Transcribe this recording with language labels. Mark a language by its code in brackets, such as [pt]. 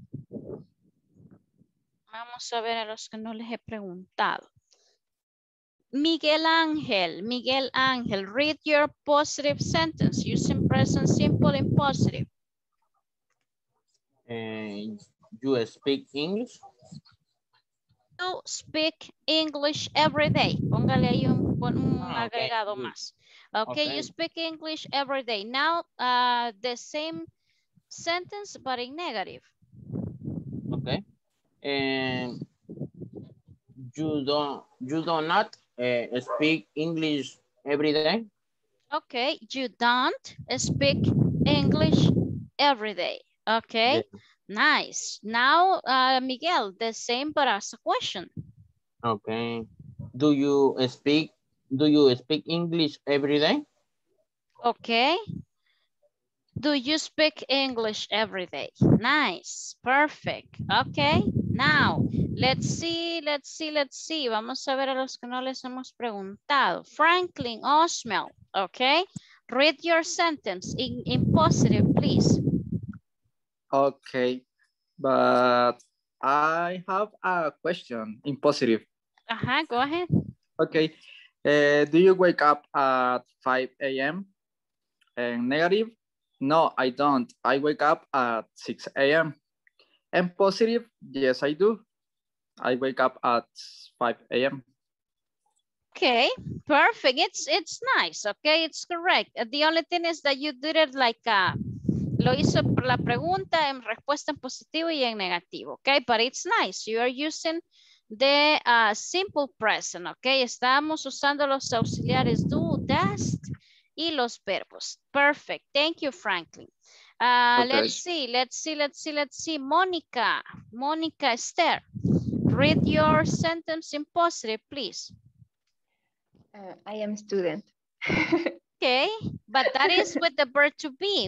[es] Vamos a ver a los que no les he preguntado. [en] Miguel Ángel, read your positive sentence using present simple and positive. You speak English? You speak English every day. [es] Póngale ahí un agregado más. [en] Okay, you speak English every day. Now, the same sentence, but in negative. Okay. You do not speak English every day? Okay, you don't speak English every day. Okay. Yeah. Nice. Now, Miguel, the same, but ask a question. Okay. Do you speak English every day? Okay. Do you speak English every day? Nice. Perfect. Okay. Now, Let's see. [es] Vamos a ver a los que no les hemos preguntado. [en] Franklin Osmel, ok. Read your sentence in positive, please. Ok, but I have a question in positive. Ajá, go ahead. Ok, do you wake up at 5 a.m.? Negative? No, I don't. I wake up at 6 a.m. And positive? Yes, I do. I wake up at 5 a.m. Okay, perfect. It's nice. Okay, it's correct. The only thing is that you did it like [es] lo hizo por la pregunta en respuesta en positivo y en negativo. [en] Okay, but it's nice. You are using the simple present. [es] Okay, estamos usando los auxiliares do, does, y los verbos. [en] Perfect. Thank you, Franklin. Okay. Let's see. Monica Esther, read your sentence in positive, please. I am student. Okay, but that is with the verb to be.